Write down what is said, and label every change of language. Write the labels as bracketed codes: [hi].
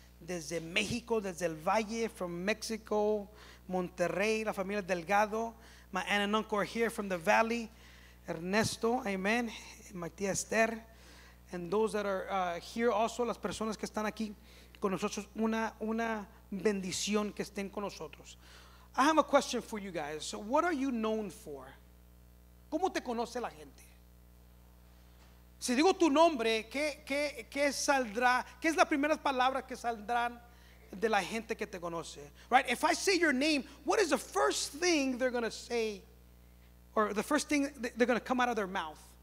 [es] Desde México, desde el Valle, [en] from Mexico, [es] Monterrey, la familia Delgado. [en] My aunt and uncle are here from the Valley. [es] Ernesto, amen. My tía Esther. [en] And those that are here also, [es] las personas que están aquí con nosotros, una bendición que estén con nosotros. [en] I have a question for you guys. So what are you known for? [es] ¿Cómo te conoce la gente? Si digo tu nombre, ¿qué saldrá? ¿Qué es la primera palabra que saldrán de la gente que te conoce? [en] Right? If I say your name, what is the first thing they're going to say? Or the first thing they're going to come out of their mouth.